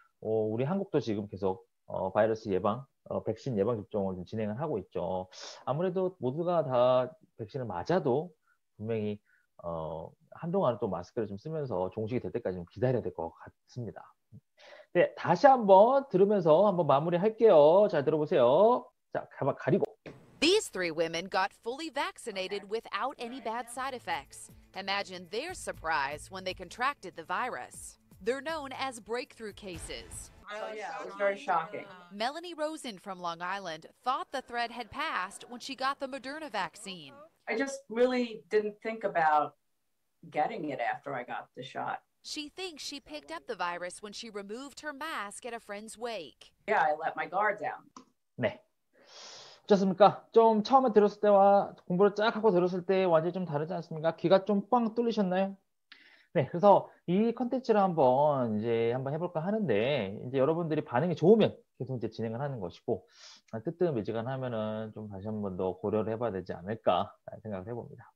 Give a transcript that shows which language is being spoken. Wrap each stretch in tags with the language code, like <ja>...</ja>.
<ko>우리 한국도 지금 계속 바이러스 예방, 백신 예방 접종을 좀 진행을 하고 있죠. 아무래도 모두가 다 백신을 맞아도 분명히 한동안은 또 마스크를 좀 쓰면서 종식이 될 때까지 좀 기다려야 될 것 같습니다. 네, 다시 한번 들으면서 한번 마무리할게요. 잘 들어보세요. 자, 가방 가리고.</ko> <en>These three women got fully vaccinated without any bad side effects. Imagine their surprise when they contracted the virus. They're known as breakthrough cases. Oh, yeah, it was very shocking. Melanie Rosen from Long Island thought the threat had passed when she got the Moderna vaccine. I just really didn't think about getting it after I got the shot. She thinks she picked up the virus when she removed her mask at a friend's wake. Yeah, I let my guard down.</en> <ko>네. 어떻습니까? 좀 처음에 들었을 때와 공부를 쫙 하고 들었을 때 완전히 좀 다르지 않습니까? 귀가 좀 빵 뚫리셨나요? 네, 그래서 이 컨텐츠를 한번 해볼까 하는데 이제 여러분들이 반응이 좋으면 계속 이제 진행을 하는 것이고 뜨뜻미지근하면은 좀 다시 한번 더 고려를 해봐야 되지 않을까 생각을 해봅니다.</ko>